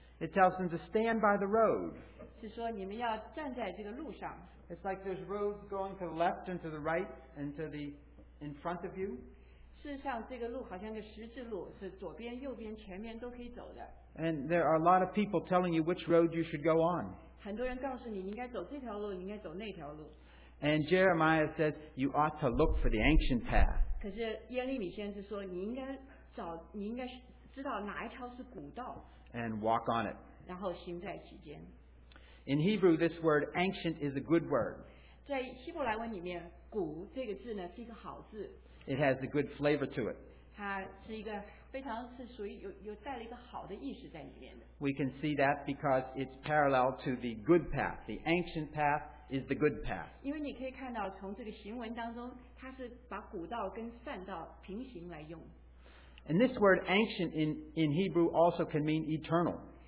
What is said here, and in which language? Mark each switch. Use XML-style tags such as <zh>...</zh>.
<en>it tells them to stand by the road.</en> <zh>是说你们要站在这个路上,</zh> <en>it's like there's roads going to the left and to the right and to the in front of you.</en> <zh>事实上这个路好像个十字路, 是左边, 右边, 前面都可以走的。</zh> <en>And there are a lot of people telling you which road you should go on.</en> <zh>很多人告诉你, 你应该走这条路, 你应该走那条路。</zh> <en>And Jeremiah says you ought to look for the ancient path.</en> <zh>可是耶利米先生说, 你应该找, 你应该知道哪一条是古道。</zh> <en>And walk on it.</en> <zh>然后行在其间。</zh> <en>In Hebrew, this word ancient is a good word.</en> <zh>在希伯来文里面, 古这个字呢, 是一个好字。</zh> <en>It has a good flavor to it.</en> <zh>它是一个非常是属于有带了一个好的意识在里面的。</zh> <en>We can see that because it's parallel to the good path. The ancient path is the good path.</en> <zh>因为你可以看到从这个行文当中, 它是把古道跟善道平行来用。</zh> <en>And this word ancient in Hebrew also can mean eternal.</en>